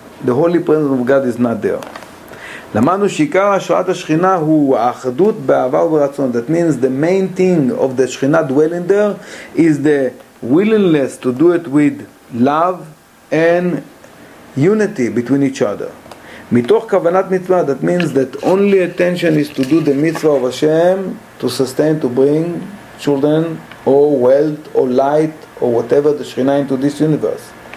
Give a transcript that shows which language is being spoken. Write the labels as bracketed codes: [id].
[en] The Holy Presence of God is not there. [he] למדנו שעיקר השראת השכינה הוא האחדות באהבה וברצון. [en] That means the main thing of the Shechina dwelling there is the willingness to do it with love and unity between each other. [he] מתוך כוונת מצווה, [en] that means that only attention is to do the mitzvah of Hashem to sustain, to bring children or wealth or light or whatever the Shechina into this universe.